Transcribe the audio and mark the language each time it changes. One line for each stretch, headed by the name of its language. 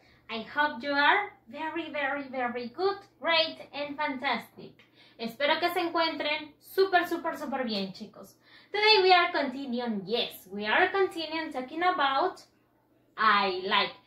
English: I hope you are very, very, very good, great and fantastic.
Spanish: Espero que se encuentren super, super, super bien, chicos.
English: Today we are continuing. Yes, we are continuing talking about I like.